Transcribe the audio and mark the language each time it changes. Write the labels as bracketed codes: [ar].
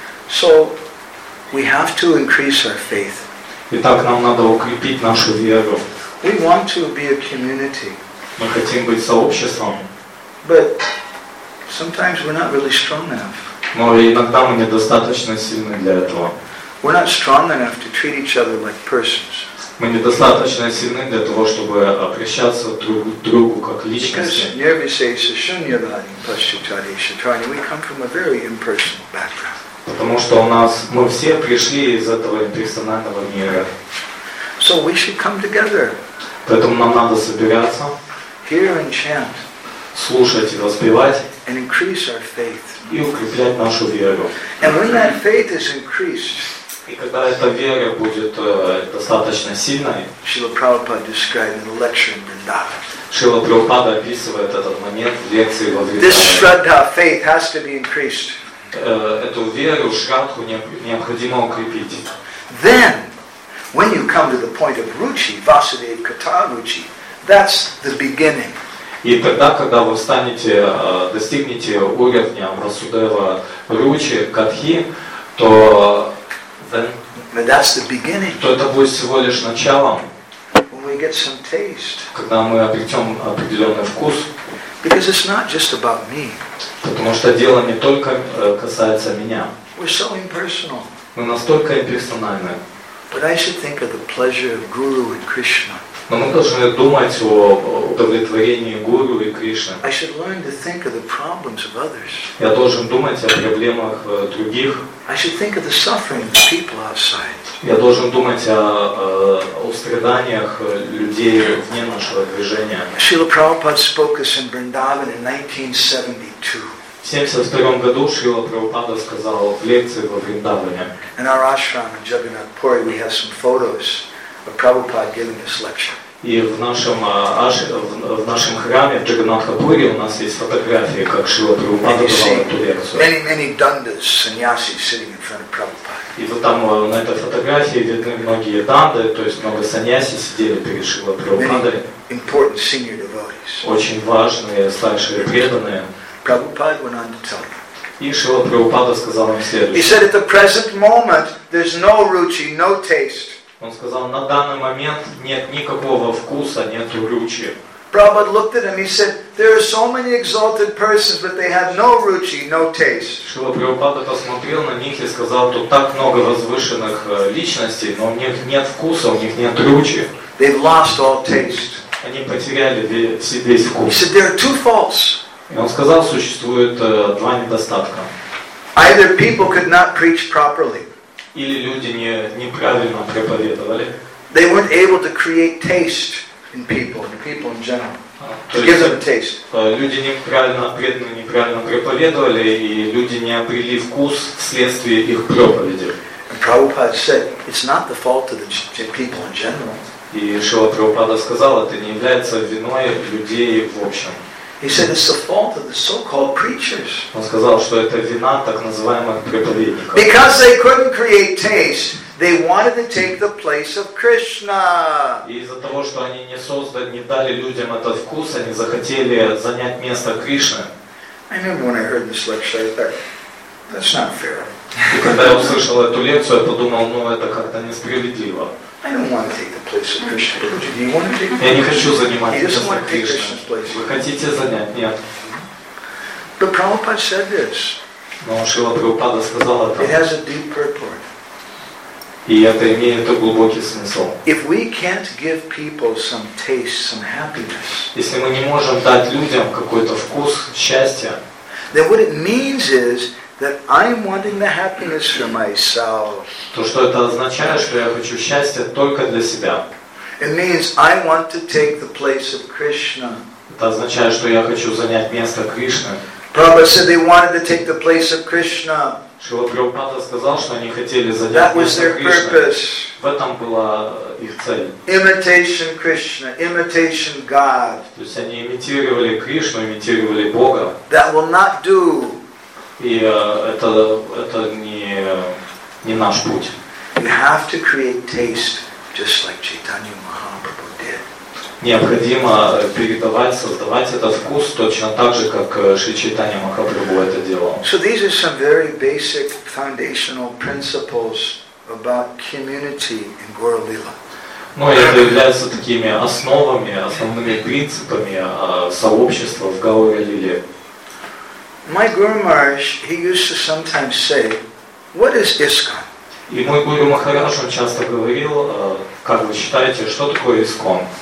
[en] So, we have to increase our faith. [ru] Итак, нам надо укрепить нашу веру. [en] We want to be a community. [ru] Мы хотим быть сообществом. [en] But sometimes we're not really strong enough. [ru] Но иногда мы недостаточно сильны для этого. [en] We're not strong enough to treat each other like persons. [ru] Мы недостаточно сильны для того, чтобы обращаться друг к другу как личности. [en] We come from a very impersonal background. [ru] Потому что у нас мы все пришли из этого имперсонального мира. [en] So we should come together. [ru] Поэтому нам надо собираться, [en] hear and chant, [ru] слушать и воспевать, [en] and increase our faith. [ru] И укреплять нашу веру. [en] And when that faith is increased, [ru] и когда эта вера будет достаточно сильной, [en] Шрила Прабхупада described in the lecture in Vrindavan. [ru] Шрила Прабхупада описывает этот момент в лекции во Вриндаване. [en] This shraddha, faith, has to be increased. [ru] Эту веру, шрадху, необходимо укрепить. [en] Then, when you come to the point of ruchi, vasudeva kata ruchi, that's the beginning. [ru] И тогда, когда вы станете, достигнете уровня Васудева ручи, катхи, то, [en] then, [ru] то это будет всего лишь началом, [en] when we get some taste. [ru] Когда мы обретем определенный вкус. [en] Because it's not just about me. [ru] Потому что дело не только касается меня. [en] We're so impersonal. [ru] Мы настолько имперсональны. [en] But I should think of the pleasure of Guru and Krishna. [ru] Но мы должны думать о удовлетворении Гуру и Кришны. [en] I should learn to think of the problems of others. [ru] Я должен думать о проблемах других. [en] I should think of the suffering of people outside. [ru] Я должен думать о страданиях людей вне нашего движения. [en] Шрила Прабхупада spoke this in Vrindavan in 1972. [ru] В 1972 году Шрила Прабхупада сказал в лекции во Вриндаване. [en] In our ashram in Jagannath Puri we have some photos of Prabhupada giving this lecture. [ru] И в нашем храме в Джаганатхапуре у нас есть фотографии, как Шрила Прабхупада давал эту лекцию. [en] Many dandas, sannyasi sitting in front of Prabhupada. [ru] И вот там на этой фотографии видны многие данды, то есть много саньяси сидели перед Шрила Прабхупадой. [en] Important senior devotees. [ru] Очень важные старшие преданные. [en] Prabhupada went on to tell them. [ru] И Шрила Прабхупада сказал им следующее. [en] He said, at the present moment, there's no ruchi, no taste. [ru] Он сказал, на данный момент нет никакого вкуса, нет ручи. [en] Prabhupada looked at him, he said, there are so many exalted persons, but they have no ruchi, no taste. [ru] Шрила Прабхупада посмотрел на них и сказал, тут так много возвышенных личностей, но у них нет вкуса, у них нет ручи. [en] They've lost all taste. [ru] Они потеряли весь вкус. [en] He said, there are two faults. [ru] И он сказал, существует два недостатка. [en] Either people could not preach properly. [ru] Или люди неправильно проповедовали. [en] They weren't able to create taste in people, the people in general. To give them a taste. [ru] Люди неправильно проповедовали, и люди не обрели вкус вследствие их проповеди. [en] And Prabhupada said, it's not the fault of the people in general. [ru] И Шрила Прабхупада сказал, это не является виной людей в общем. [en] He said it's the fault of the so-called preachers. [ru] Он сказал, что это вина так называемых проповедников. [en] Because they couldn't create taste, they wanted to take the place of Krishna. [ru] И из-за того, что они не дали людям этот вкус, они захотели занять место Кришны. [en] I remember when I heard this lecture, I thought, that's not fair. [ru] И когда я услышал эту лекцию, я подумал, ну это как-то несправедливо. [en] I don't want to take the place of Krishna. Do you want to take? [ru] Я не хочу занимать место Кришны. [en] He doesn't want to take Krishna's place. [ru] Вы хотите занять? Нет. [en] But Prabhupada said this. [ru] Но Шрила Прабхупада сказал это. [en] It has a deep purport. [ru] И это имеет глубокий смысл. [en] If we can't give people some taste, some happiness. [ru] Если мы не можем дать людям какой-то вкус счастья. [en] Then what it means is that I'm wanting the happiness for myself. [ru] То, что это означает, что я хочу счастья только для себя. [en] It means I want to take the place of Krishna. [ru] Это означает, что я хочу занять место Кришны. [en] Prabhupada said they wanted to take the place of Krishna. [ru] Шрила Прабхупада сказал, что они хотели занять место Кришны. В этом была их цель. [en] Imitation Krishna, imitation God. [ru] То есть они имитировали Кришну, имитировали Бога. [en] That will not do. [ru] И это не наш путь. [en] You have to create taste just like Chaitanya Mahaprabhu did. [ru] Необходимо передавать, создавать этот вкус точно так же, как Шри Чайтанья Махапрабху это делал. [en] So these are some very basic foundational principles about community in Gaura Lila. [ru] Ну, это является такими основами, основными принципами сообщества в Гауре Лиле. [en] My Guru Maharaj, he used to sometimes say, "What is ISKCON?" [ru] И мой Гуру Махарадж часто говорил, как вы считаете, что такое ИСККОН?